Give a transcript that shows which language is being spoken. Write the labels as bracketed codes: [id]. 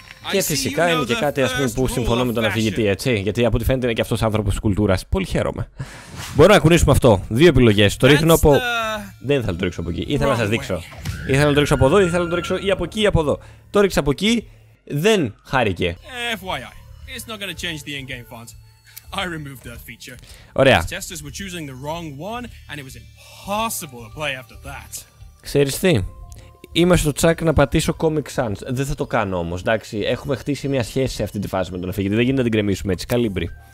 [el] Και φυσικά είναι και κάτι, ας πούμε, που συμφωνώ με τον αφηγητή, έτσι. Γιατί από ό,τι φαίνεται είναι και αυτός άνθρωπος της κουλτούρας. Πολύ χαίρομαι. Μπορούμε να κουνήσουμε αυτό. Δύο επιλογές. Το ρίχνω από. Δεν ήθελα να το ρίξω από εκεί. Ήθελα να σας δείξω. Ήθελα να το ρίξω από εδώ, ήθελα να το ρίξω ή από εκεί ή από εδώ. Το ρίξα από εκεί. Δεν χάρηκε. [en] FYI. It's not gonna change the in-game font. I removed that feature. [el] Ωραία. [en] The testers were choosing the wrong one and it was impossible to play after that. [el] Ξέρεις τι? Είμαι στο τσακ να πατήσω Comic Sans. Δεν θα το κάνω όμως, εντάξει. Έχουμε χτίσει μια σχέση σε αυτή τη φάση με τον αφηγητή. Δεν γίνεται να την κρεμίσουμε έτσι. Καλύμπρι.